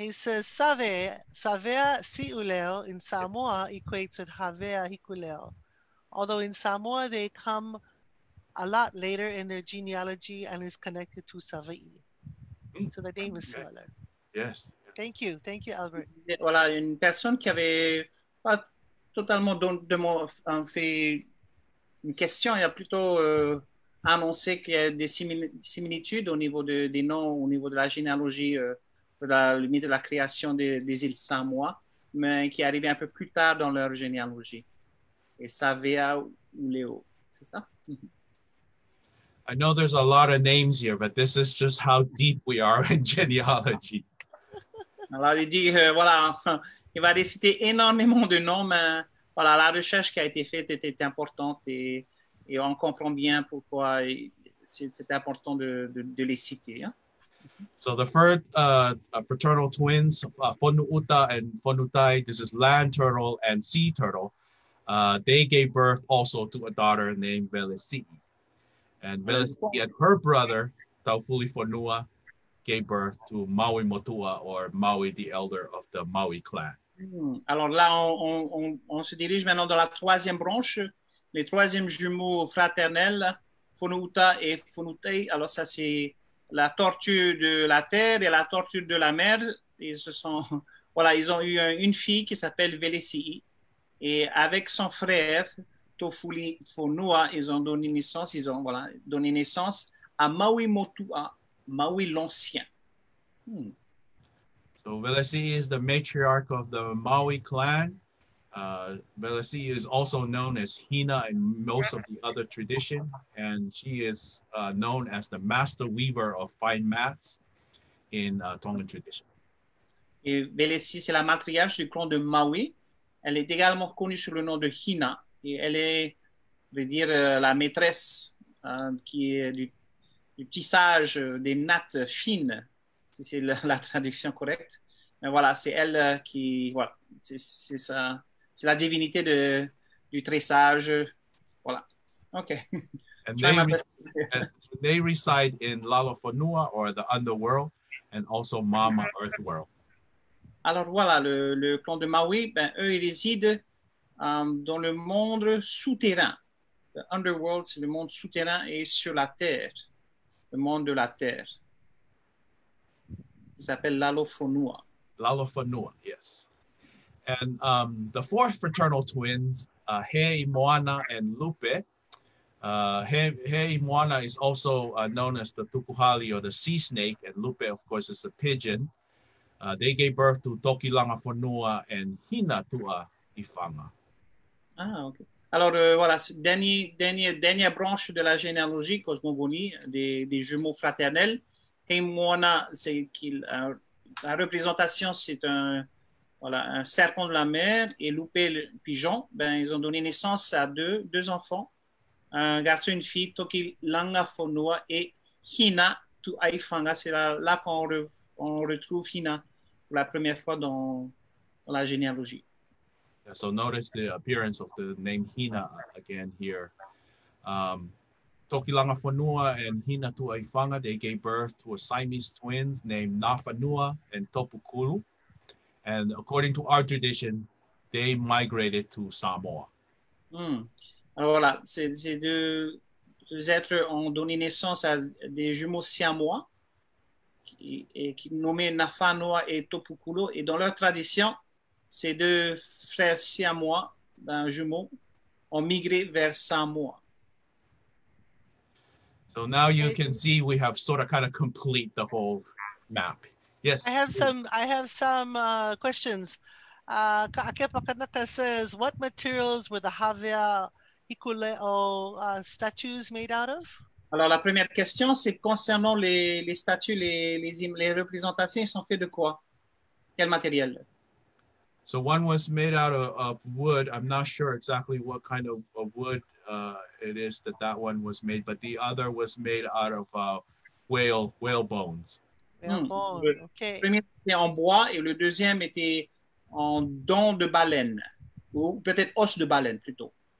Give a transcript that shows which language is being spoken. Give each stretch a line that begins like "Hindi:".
English: He says, Savea Siuleo in Samoa equates with Havea Hikuleʻo. Although in Samoa, they come a lot later in their genealogy and is connected to Savai. So the name is similar. Yes. Thank you, Albert.
French: Voilà, une personne qui avait pas totalement fait une question, il y a plutôt... annoncer qu'il y a des similitudes au niveau des noms, au niveau de la généalogie, de la limite de la création des îles Samoa, mais qui arrivaient un peu plus tard dans leur généalogie. Et Savea ou Léo, c'est ça?
English: I know there's a lot of names here, but this is just how deep we are in genealogy.
French: Alors il dit, voilà, il va réciter énormément de noms, mais voilà, la recherche qui a été faite était importante et... Et on comprend bien pourquoi c'est important de les citer. Hein?
English: So the first fraternal twins, Fonu'uta and Fonu'utai, this is land turtle and sea turtle, they gave birth also to a daughter named Velesi'i. And Velesi'i and her brother, Taufuli Fonua, gave birth to Maui Motua, or Maui the elder of the Maui clan.
French: Alors là, on se dirige maintenant dans la troisième branche, les troisièmes jumeaux fraternels, Fonu'uta et Fonu'utai. Alors ça, c'est la tortue de la terre et la tortue de la mer. Ils ont eu une fille qui s'appelle Velesi'i. Et avec son frère, Taufuli Fonua, ils ont donné naissance à Maui Motua, Maui l'Ancien.
English: So Velesi'i is the matriarch of the Maui clan. Velesi is also known as Hina in most of the other tradition, and she is known as the master weaver of fine mats in Tongan tradition.
French: Et Velesi, c'est la matriarche du clan de Maui. Elle est également connue sous le nom de Hina, et elle est, je veux dire, la maîtresse qui est du tissage des nattes fines, si c'est la traduction correcte. Mais voilà, c'est elle qui, voilà, c'est ça. C'est la divinité du tressage. Voilà. OK.
English: And they reside in Lalofonua, or the underworld, and also Mama Earth World.
French: Alors voilà, le clan de Maui, ben, eux, ils résident dans le monde souterrain. The underworld, c'est le monde souterrain et sur la terre. Le monde de la terre. Ils s'appellent Lalofonua.
English: Lalofonua, yes. And the fourth fraternal twins, Hei Moana and Lupe. Hei Moana is also known as the Tukuhali, or the sea snake, and Lupe, of course, is a pigeon. They gave birth to Tokilanga Fonua and Hina Tua Ifanga. Ah, OK.
French: Alors, voilà, dernière branche de la généalogie cosmogonie des jumeaux fraternels. Hei Moana, c'est qu'il la représentation, c'est un... Voilà, un serpent de la mer et Lupe le pigeon, ben, ils ont donné naissance à deux enfants, un garçon et une fille, Tokilanga Fonua et Hina Tuaifanga. C'est là qu'on retrouve Hina pour la première fois dans la généalogie.
English: Yeah, so notice the appearance of the name Hina again here. Tokilanga Fonua and Hina Tuaifanga, they gave birth to a Siamese twins named Nafanua and Topukulu. And according to our tradition, they migrated to Samoa. Mm.
French: Alors voilà, c'est deux êtres ont donné naissance à des jumeaux siamois qui nommés Nafanoa et Topukulo. Et dans leur tradition, ces deux frères siamois, d'un jumeau, ont migré vers Samoa.
English: So now you can see we have sort of kind of complete the whole map. Yes. I have some questions. Ka'akepakanaka says, what materials were the Havia Hikuleʻo statues made out of?
French: Alors la première question c'est concernant les statues, les représentations, ils sont faits de quoi? Quel matériel?
English: So one was made out of wood. I'm not sure exactly what kind of wood it is that one was made, but the other was made out of whale bones. Okay.
French: Le premier était en bois et le deuxième était en dents de baleine, ou peut-être os de baleine plutôt.